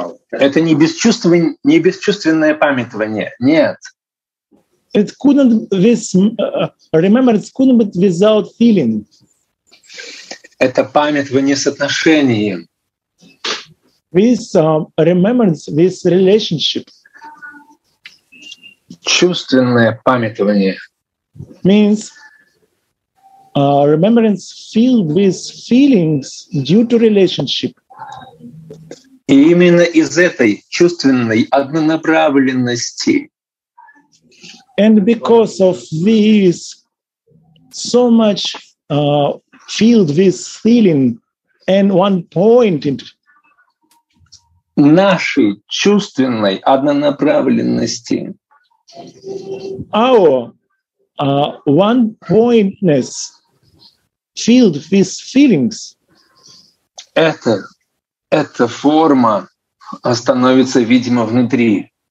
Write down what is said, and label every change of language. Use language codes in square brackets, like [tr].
[ru] Это не бесчувственное, не бесчувственное памятование. Нет. [en] It couldn't this remembrance couldn't be without feeling. [ru] Это памятование с отношением. [en] This remembrance, this relationship. [ru] Чувственное памятование. [en] Means remembrance filled with feelings due to relationship. [ru] И именно из этой чувственной однонаправленности. [en] And because of this, so much filled with feeling and one point in [ru] нашей чувственной однонаправленности. [en] Our one pointness. Filled with feelings. [ru] Эта форма становится видимо внутри.